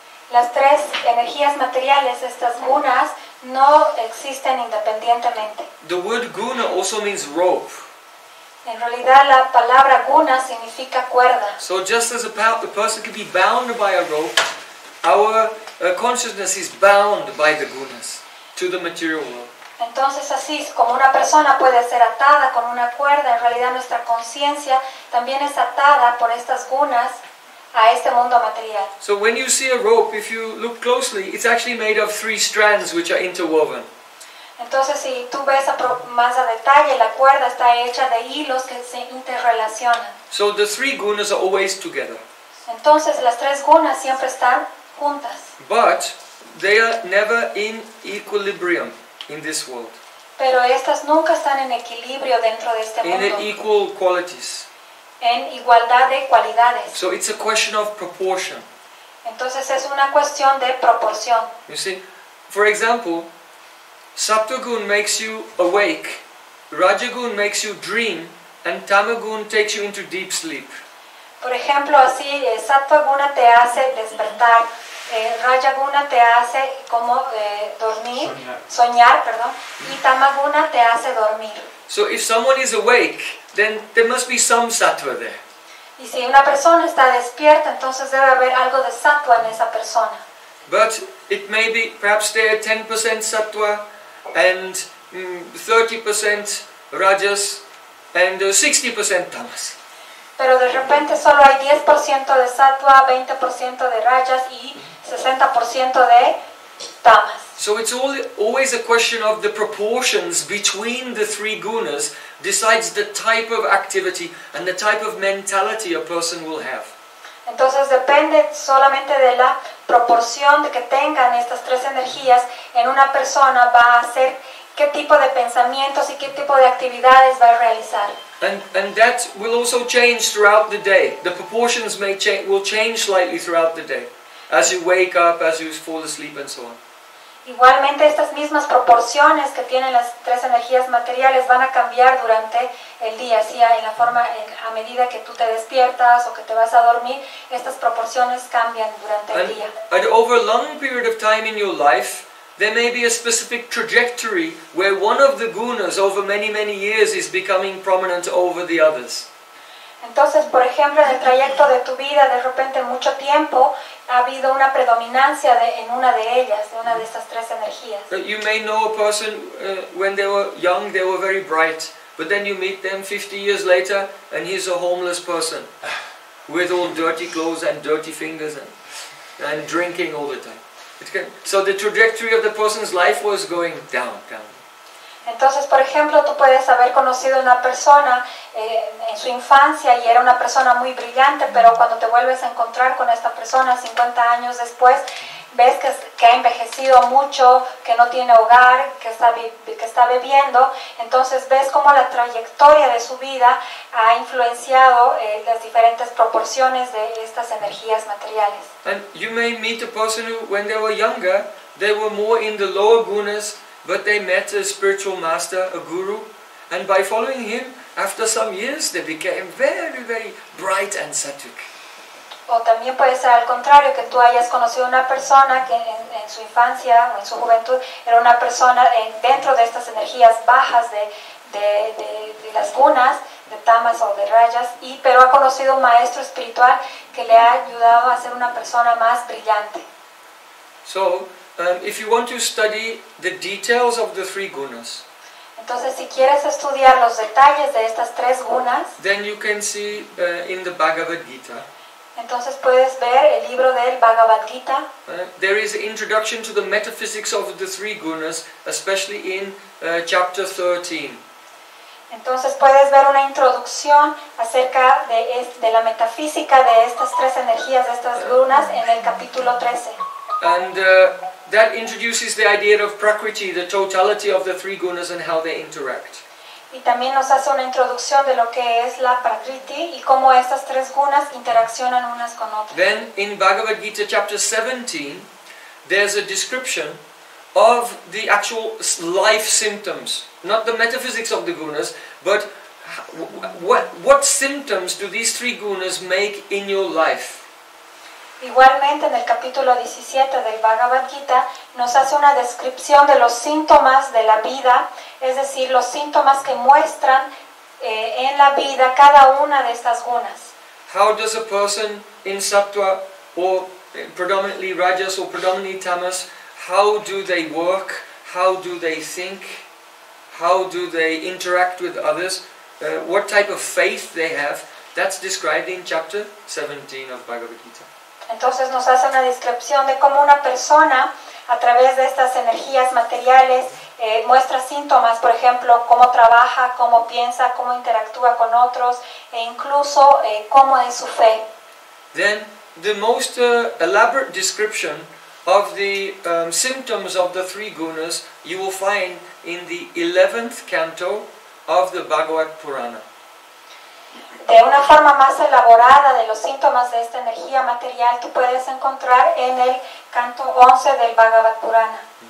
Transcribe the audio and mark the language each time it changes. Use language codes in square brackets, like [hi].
[es] Las tres energías materiales, estas gunas, no existen independientemente. [en] The word guna also means rope. [es] En realidad, la palabra guna significa cuerda. [en] So just as a person can be bound by a rope, our consciousness is bound by the gunas to the material world. [es] Entonces, así como una persona puede ser atada con una cuerda, en realidad nuestra conciencia también es atada por estas gunas a este mundo material. [en] So when you see a rope, if you look closely, it's actually made of three strands which are interwoven. [es] Entonces, si tú ves más a detalle, la cuerda está hecha de hilos que se interrelacionan. [en] So the three gunas are always together. [es] Entonces, las tres gunas siempre están juntas. [en] But they are never in equilibrium in this world. [es] Pero estas nunca están en equilibrio dentro de este mundo. [en] In equal qualities. [es] En igualdad de cualidades. [en] So it's a question of proportion. [es] Entonces, es una cuestión de proporción. [en] You see, for example, Saptagun makes you awake, Rajagun makes you dream, and Tamagun takes you into deep sleep. [es] Por ejemplo, así Saptaguna te hace despertar, Rajaguna te hace como dormir, soñar, y Tamaguna te hace dormir. [en] So if someone is awake, then there must be some sattva there. [es] Y si una persona está despierta, entonces debe haber algo de sattva en esa persona. [en] But it may be perhaps there 10% sattva and 30% rajas and 60% tamas. [es] Pero de repente solo hay 10% de sattva, 20% de rajas y 60% de tamas. [en] So it's always a question of the proportions between the three gunas decides the type of activity and the type of mentality a person will have. [es] Entonces depende solamente de la proporción de que tengan estas tres energías en una persona va a ser qué tipo de pensamientos y qué tipo de actividades va a realizar. [en] And that will also change throughout the day. The proportions may change, will change slightly throughout the day, as you wake up, as you fall asleep, and so on. [es] Igualmente estas mismas proporciones que tienen las tres energías materiales van a cambiar durante el día, así en la forma, a medida que tú te despiertas o que te vas a dormir, estas proporciones cambian durante el día. [en] And over a long period of time in your life, there may be a specific trajectory where one of the gunas over many, many years is becoming prominent over the others. [es] Entonces, por ejemplo, en el trayecto de tu vida, de repente mucho tiempo, ha habido una predominancia en una de ellas, de una de estas tres energías. [en] You may know a person when they were young, they were very bright, but then you meet them 50 years later and he's a homeless person with all dirty clothes and dirty fingers and drinking all the time. So the trajectory of the person's life was going down. [es] Entonces, por ejemplo, tú puedes haber conocido una persona en su infancia y era una persona muy brillante, pero cuando te vuelves a encontrar con esta persona 50 años después, ves que ha envejecido mucho, que no tiene hogar, que está bebiendo, entonces ves cómo la trayectoria de su vida ha influenciado las diferentes proporciones de estas energías materiales. [en] And you may meet a person who, when they were younger, they were more in the lower gunas, but they met a spiritual master, a guru, and by following him, after some years, they became very, very bright and sattvic. [es] O también puede ser al contrario, que tú hayas conocido una persona que en su infancia o en su juventud era una persona dentro de estas energías bajas de las gunas, de tamas o de rayas, pero ha conocido un maestro espiritual que le ha ayudado a ser una persona más brillante. [en] So, if you want to study the details of the three gunas, [es] entonces, si quieres estudiar los detalles de estas tres gunas, [en] then you can see in the Bhagavad Gita, [es] Entonces puedes ver el libro del Bhagavad Gita. [en] There is an introduction to the metaphysics of the three gunas, especially in chapter 13. [es] Entonces puedes ver una introducción acerca de la metafísica de estas tres energías, de estas gunas, en el capítulo 13. [en] And that introduces the idea of prakriti, the totality of the three gunas and how they interact. [es] Y también nos hace una introducción de lo que es la prakriti y cómo estas tres gunas interaccionan unas con otras. [en] Then in Bhagavad Gita chapter 17, there's a description of the actual life symptoms, not the metaphysics of the gunas, but what symptoms do these three gunas make in your life? [es] Igualmente en el capítulo 17 del Bhagavad Gita nos hace una descripción de los síntomas de la vida, es decir, los síntomas que muestran en la vida cada una de estas gunas. [en] How does a person in sattva or predominantly rajas or predominantly tamas, how do they work, how do they think, how do they interact with others, what type of faith they have, that's described in chapter 17 of Bhagavad Gita. [es] Entonces nos hace una descripción de cómo una persona a través de estas energías materiales muestra síntomas, por ejemplo, cómo trabaja, cómo piensa, cómo interactúa con otros e incluso cómo es su fe. [en] Then the most elaborate description of the symptoms of the three gunas you will find in the 11th canto of the Bhagavad Purana. [es] De una forma más elaborada de los síntomas de esta energía material que puedes encontrar en el canto 11 del Bhagavad Purana.